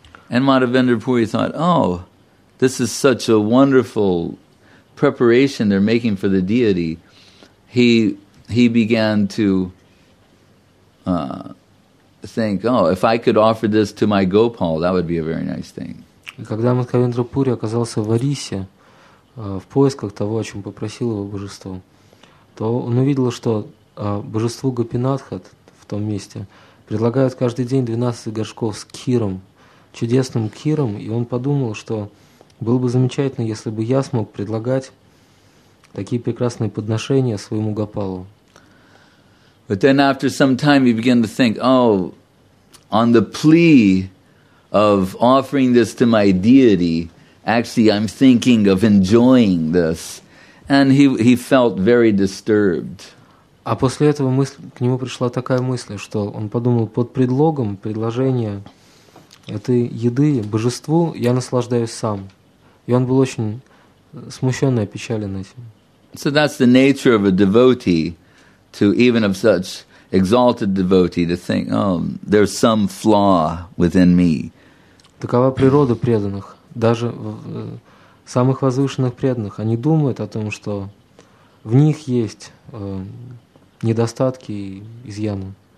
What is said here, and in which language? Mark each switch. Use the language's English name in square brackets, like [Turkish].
[English] And Madhavendra Puri thought, oh, this is such a wonderful preparation they're making for the deity. He began to think, oh, if I could offer this to my Gopal, that would be a very nice thing. [Russian] И когда Мадхавендра Пури оказался в Орисе, в поисках того, о чем попросило его божество, то он увидел, что божеству Гопинатхат в том месте предлагают каждый день 12 горшков с киром, чудесным киром, и он подумал, что было бы замечательно, если бы я смог предлагать такие прекрасные подношения своему Гопалу. [English] But then after some time he began to think, oh, on the plea of offering this to my deity, actually I'm thinking of enjoying this. And he felt very disturbed. [Russian] А после этого к нему пришла такая мысль, что он подумал, под предлогом предложения этой еды, божеству, я наслаждаюсь сам. И он был очень смущен и опечален этим. [English] So that's the nature of a devotee, to even of such exalted devotee, to think, oh, there's some flaw within me. [Russian] Такова природа преданных, даже самых возвышенных преданных. Они думают о том, что в них есть недостатки и изъяны.